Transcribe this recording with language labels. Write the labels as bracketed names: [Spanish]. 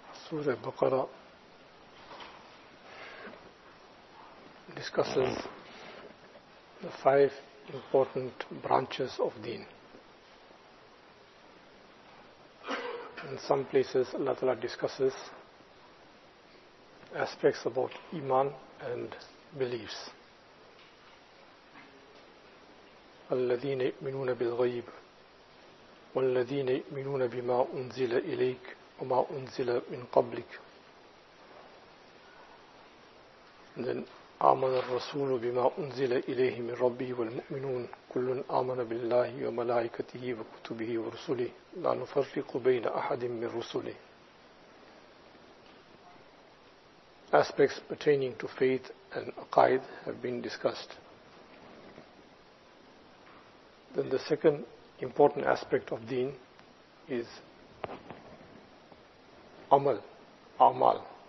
[English] سورة بقرة discusses the five important branches of deen. In some places Allah Ta'ala discusses aspects about iman and beliefs. [Arabic] الذين يؤمنون بالغيب والذين يؤمنون بما أنزل إليك وما أنزل من قبلك. And then آمن الرسول بما أنزل إليه من ربه والمؤمنون كل آمن بالله وملائكته وكتبه ورسله لا نفرق بين أحد من رسله. [English] Aspects pertaining to faith and aqaid have been discussed. Then the second important aspect of deen is amal, amal.